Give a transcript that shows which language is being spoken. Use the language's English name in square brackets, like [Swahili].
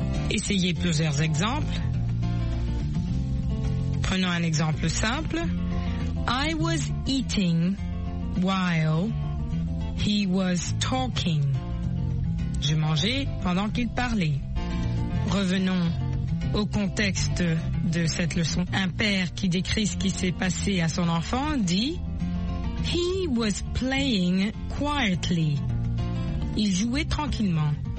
[French] Essayez plusieurs exemples. Prenons un exemple simple. [English] I was eating while he was talking. [French] Je mangeais pendant qu'il parlait. Revenons au contexte de cette leçon. Un père qui décrit ce qui s'est passé à son enfant dit « [English] He was playing quietly. [French] » Il jouait tranquillement.